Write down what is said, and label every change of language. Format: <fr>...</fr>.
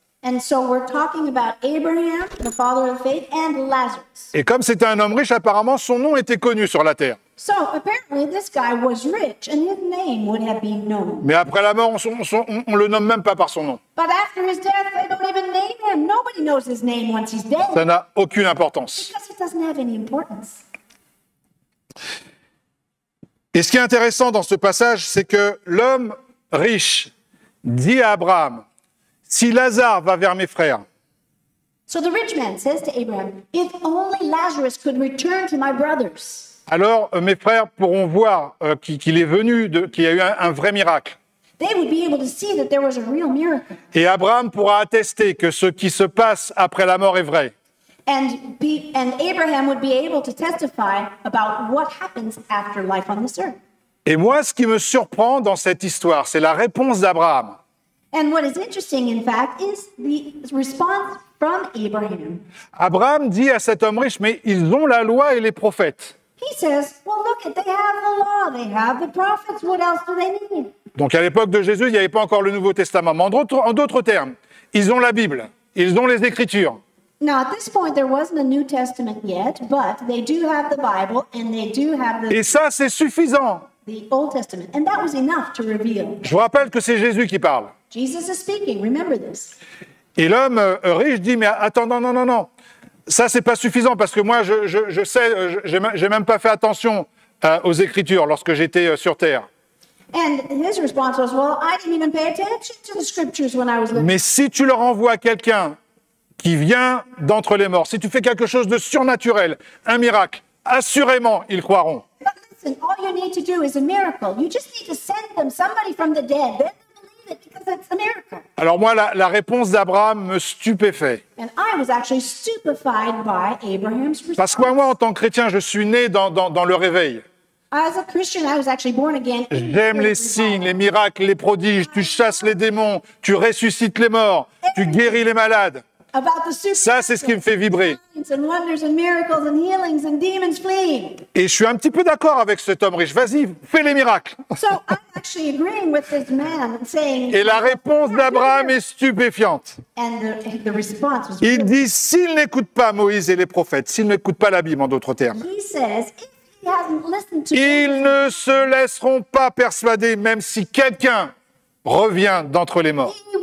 <en>And so we're talking about Abraham, the father of faith, and Lazarus.</en> <fr>Et comme c'était un homme riche, apparemment son nom était connu sur la terre.</fr> <en>So apparently this guy was rich and his name would have been known.</en> <fr>Mais après la mort on le nomme même pas par son nom.</fr> <en>But after his death they don't even name him. Nobody knows his name once he's dead.</en> <fr>Ça n'a aucune importance.</fr> <en>Because it doesn't have any importance.</en> <fr>Et ce qui est intéressant dans ce passage, c'est que l'homme riche dit à Abraham, si Lazare va vers mes frères.</fr> <en>So the rich man says to Abraham, if only Lazarus could return to my brothers.</en> <fr>Alors mes frères pourront voir qu'il est venu, qu'il y a eu un vrai miracle.</fr> <en>They would be able to see that there was a real miracle.</en> <fr>Et Abraham pourra attester que ce qui se passe après la mort est vrai.</fr> <en>And Abraham would be able to testify about what happens after life on this earth.</en> <fr>Et moi, ce qui me surprend dans cette histoire, c'est la réponse d'Abraham.</fr> <en>And what is interesting, in fact, is the response from Abraham.</en> <fr>Abraham dit à cet homme riche, mais ils ont la loi et les prophètes.</fr> <en>He says, well, look, they have the law, they have the prophets, what else do they need?</en> <fr>Donc à l'époque de Jésus, il n'y avait pas encore le Nouveau Testament. Mais en d'autres termes, ils ont la Bible, ils ont les Écritures.</fr> <en>Now, at this point, there wasn't a New Testament yet, but they do have the Bible and they do have the...</en> <fr>Et ça, c'est suffisant.</fr> <en>The Old Testament, and that was enough to reveal.</en> <fr>Je vous rappelle que c'est Jésus qui parle.</fr> <en>Jesus is speaking, remember this.</en> <fr>Et l'homme riche dit, mais attends, non. Ça, c'est pas suffisant parce que moi, je sais, j'ai même pas fait attention aux Écritures lorsque j'étais sur Terre.</fr> <en>And his response was, well, I didn't even pay attention to the Scriptures when I was living.</en> <fr>Mais si tu leur envoies quelqu'un qui vient d'entre les morts, si tu fais quelque chose de surnaturel, un miracle, assurément, ils croiront.</fr> <en>But listen, all you need to do is a miracle. You just need to send them somebody from the dead. Then because it's a miracle.</en> <fr>Alors moi, la réponse d'Abraham me stupéfait.</fr> <en>And I was actually stupefied by Abraham's response.</en> <fr>Parce que moi, en tant que chrétien, je suis né dans le réveil.</fr> <en>As a Christian, I was actually born again.</en> <fr>J'aime les signes, les miracles, les prodiges. Tu chasses les démons, tu ressuscites les morts, tu guéris les malades.</fr> <en>About the supernatural.</en> <fr>Ça, c'est ce qui me fait vibrer.</fr> <en>And wonders and miracles and healings and demons fleeing.</en> <fr>Et je suis un petit peu d'accord avec cet homme riche. Vas-y, fais les miracles.</fr> <en>So I'm actually agreeing with this man saying.</en> <fr>Et la réponse d'Abraham est stupéfiante.</fr> <en>And the response was.</en> <fr>Il dit, s'il n'écoute pas Moïse et les prophètes, s'il n'écoute pas la Bible, en d'autres termes.</fr> <en>He says, if he</en> <fr>Ils ne se laisseront pas persuader même si quelqu'un revient d'entre les morts.</fr>